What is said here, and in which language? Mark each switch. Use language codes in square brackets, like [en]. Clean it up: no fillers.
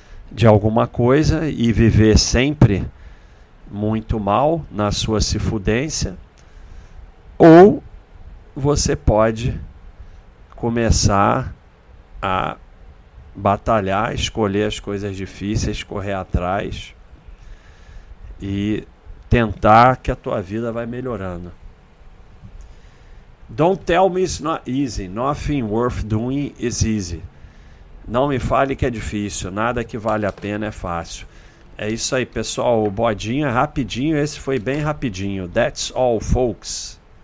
[pt] de alguma coisa e viver sempre muito mal na sua sifudência, ou você pode começar a batalhar, escolher as coisas difíceis, correr atrás e tentar que a tua vida vai melhorando. [en] Don't tell me it's not easy. Nothing worth doing is easy. [pt] Não me fale que é difícil. Nada que vale a pena é fácil. É isso aí, pessoal. O bodinho é rapidinho. Esse foi bem rapidinho. [en] That's all, folks.